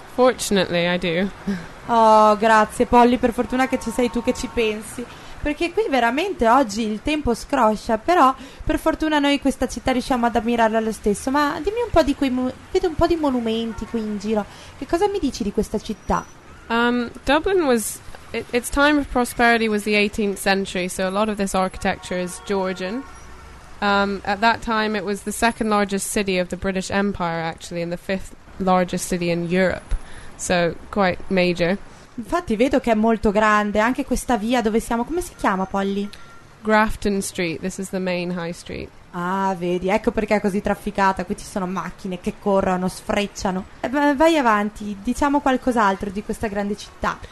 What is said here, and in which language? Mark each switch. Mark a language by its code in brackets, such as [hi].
[en] Fortunately, I do. [it] Oh, grazie Polly, per fortuna che ci sei tu che ci pensi, perché qui veramente oggi il tempo scroscia, però per fortuna noi questa città riusciamo ad ammirarla lo stesso. Ma dimmi un po' di vedo un po' di monumenti qui in giro, che cosa mi dici di questa città? [en] Dublin was, its time of prosperity was the 18th century, so a lot of this architecture is Georgian. At that time it was the second largest city of the British Empire actually, and the fifth largest city in Europe. So, quite major. [it] Infatti vedo che è molto grande, anche questa via dove siamo, come si chiama Polly? [en] Grafton Street, this is the main high street. [it] Ah, vedi, ecco perché è così trafficata, qui ci sono macchine che corrono, sfrecciano. Vai avanti, diciamo qualcos'altro di questa grande città.